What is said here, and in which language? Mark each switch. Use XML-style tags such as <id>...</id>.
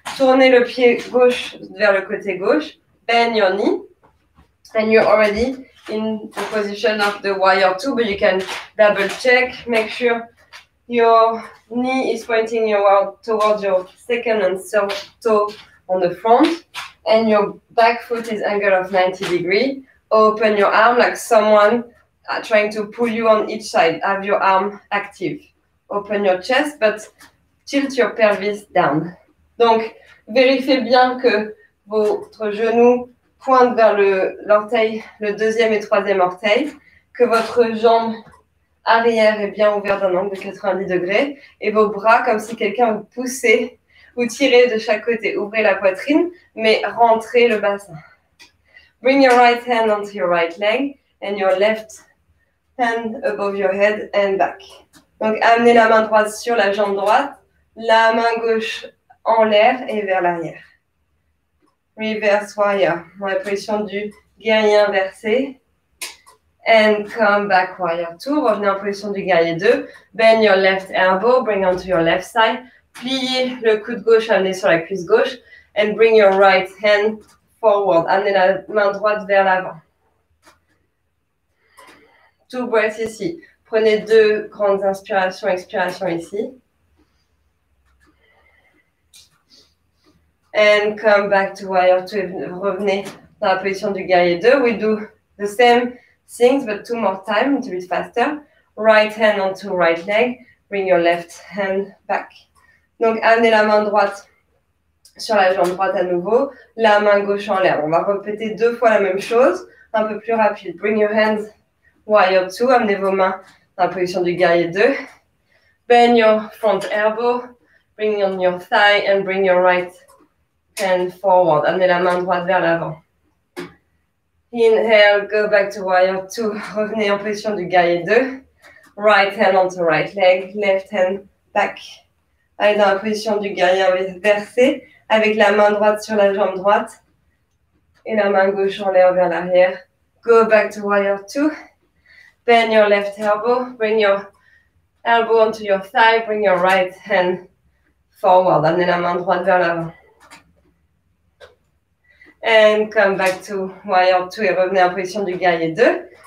<fr>Tournez le pied gauche vers le côté gauche.</fr> <en>Bend your knee. And you're already in the position of the warrior two, but you can double check. Make sure your knee is pointing towards your second and third toe on the front. And your back foot is angled of 90 degrees. Open your arm like someone trying to pull you on each side. Have your arm active. Open your chest, but tilt your pelvis down.</en> <fr>Donc, vérifiez bien que votre genou pointe vers l'orteil, le deuxième et troisième orteil, que votre jambe arrière est bien ouverte d'un angle de 90 degrés et vos bras comme si quelqu'un vous poussait ou tirait de chaque côté. Ouvrez la poitrine, mais rentrez le bassin.</fr> <en>Bring your right hand onto your right leg and your left hand above your head and back.</en> <fr>Donc, amenez la main droite sur la jambe droite, la main gauche en l'air et vers l'arrière. Reverse warrior, dans la position du guerrier inversé.</fr> <en>And come back warrior two,</en> <fr>revenez en position du guerrier 2.</fr> <en>Bend your left elbow, bring onto your left side.</en> <fr>Pliez le coude gauche, amenez sur la cuisse gauche.</fr> <en>And bring your right hand forward,</en> <fr>amenez la main droite vers l'avant.</fr> <en>Two breaths</en> <fr>ici. Prenez deux grandes inspirations, expirations ici.</fr> <en>And come back to warrior two.</en> <fr>Revenez dans la position du guerrier 2.</fr> <en>We do the same things, but two more times, a little bit faster. Right hand onto right leg, bring your left hand back.</en> <fr>Donc, amenez la main droite sur la jambe droite à nouveau, la main gauche en l'air. On va répéter deux fois la même chose, un peu plus rapide.</fr> <en>Bring your hands warrior two,</en> <fr>amenez vos mains dans la position du guerrier 2.</fr> <en>Bend your front elbow, bring on your thigh and bring your right hand forward.</en> <fr>Amenez la main droite vers l'avant.</fr> <en>Inhale, go back to warrior two.</en> <fr>Revenez en position du guerrier 2.</fr> <en>Right hand onto right leg, left hand back.</en> <fr>Allez dans la position du guerrier versé avec la main droite sur la jambe droite et la main gauche en l'air vers l'arrière.</fr> <en>Go back to warrior two. Bend your left elbow, bring your elbow onto your thigh, bring your right hand forward.</en> <fr>Amenez la main droite vers l'avant.</fr> <en>And come back to warrior two</en> <fr>et revenez en position du guerrier 2.</fr>